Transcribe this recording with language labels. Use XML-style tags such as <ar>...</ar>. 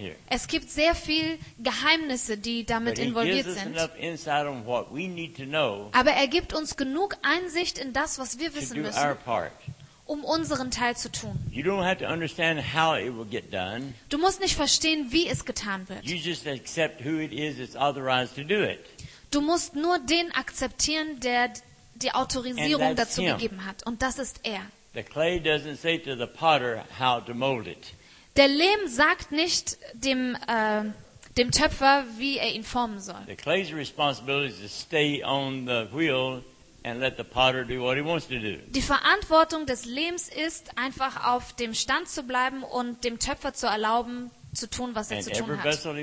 <de>Es gibt sehr viele Geheimnisse, die damit involviert sind. Aber er gibt uns genug Einsicht in das, was wir wissen müssen, um unseren Teil zu tun.</de> <en>You don't have to understand how it will get done.</en> <de>Du musst nicht verstehen, wie es getan wird.</de> <en>You just accept who it is that's authorized to do it.</en> <de>Du musst nur den akzeptieren, der die Autorisierung dazu gegeben hat. Und das ist er.</de> <en>The clay doesn't say to the potter how to mold it.</en> <de>Der Lehm sagt nicht dem dem Töpfer, wie er ihn formen soll.</de> <en>The clay's responsibility is to stay on the wheel.</en> <de>Die Verantwortung des Lehms ist, einfach auf dem Stand zu bleiben und dem Töpfer zu erlauben, zu tun, was er zu tun hat.</de>